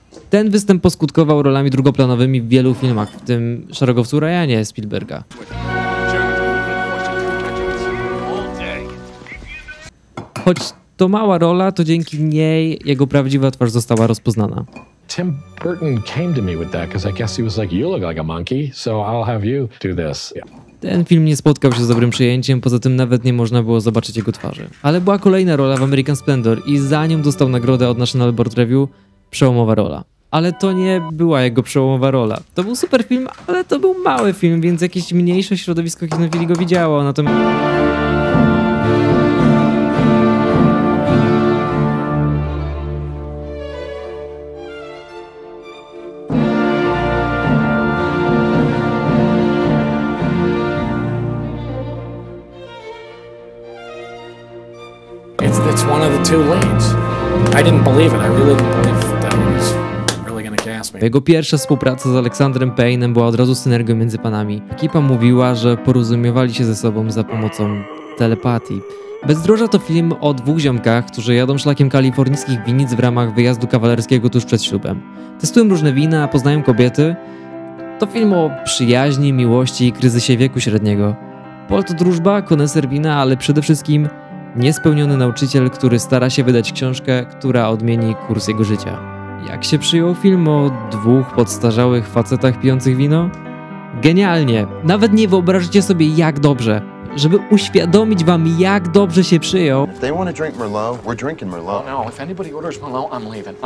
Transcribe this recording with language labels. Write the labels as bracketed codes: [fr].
[pl] Ten występ poskutkował rolami drugoplanowymi w wielu filmach, w tym Szeregowcu Ryanie Spielberga. Choć to mała rola, to dzięki niej jego prawdziwa twarz została rozpoznana. [en] Tim Burton came to me with that, because I guess he was like, you look like a monkey, so I'll have you do this. Yeah. [pl] Ten film nie spotkał się z dobrym przyjęciem, poza tym nawet nie można było zobaczyć jego twarzy. Ale była kolejna rola w American Splendor i za nią dostał nagrodę od National Board Review, przełomowa rola. Ale to nie była jego przełomowa rola. To był super film, ale to był mały film, więc jakieś mniejsze środowisko kinofili go widziało, natomiast... [en] It's one of the two leads. I didn't believe it. I really didn't believe that it was really gonna gas me. [pl] Jego pierwsza współpraca z Alexandrem Payne'em była od razu synergią między panami. Ekipa mówiła, że porozumiewali się ze sobą za pomocą telepatii. Bezdroża to film o dwóch ziomkach, którzy jadą szlakiem kalifornijskich winnic w ramach wyjazdu kawalerskiego tuż przed ślubem. Testują różne wina, poznają kobiety. To film o przyjaźni, miłości i kryzysie wieku średniego. Paul to drużba, koneser wina, ale przede wszystkim niespełniony nauczyciel, który stara się wydać książkę, która odmieni kurs jego życia. Jak się przyjął film o dwóch podstarzałych facetach pijących wino? Genialnie! Nawet nie wyobrażacie sobie, jak dobrze. Żeby uświadomić wam, jak dobrze się przyjął. [en] If they want to drink Merlot, we're drinking Merlot. No, if anybody orders Merlot, I'm leaving.